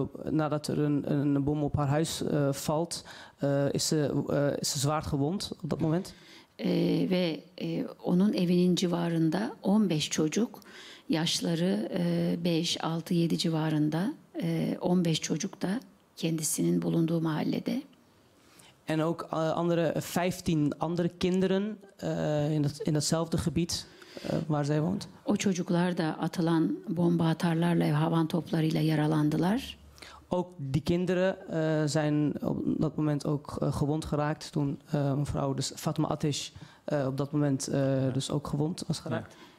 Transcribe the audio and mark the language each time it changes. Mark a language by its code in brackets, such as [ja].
[nl] Nadat er een bom op haar huis valt, is ze zwaar gewond op dat moment. [tr] Ve onun evinin civarında 15 çocuk, yaşları 5, 6, 7 civarında 15 çocuk da kendisinin bulunduğu mahallede. [nl] En ook 15 andere kinderen in datzelfde gebied. Waar zij woont. [tr] O çocuklar da atılan bomba atarlarla havan toplarıyla yaralandılar. [nl] Ook die kinderen zijn op dat moment ook gewond geraakt toen mevrouw dus Fatma Ateş op dat moment dus ook gewond was geraakt.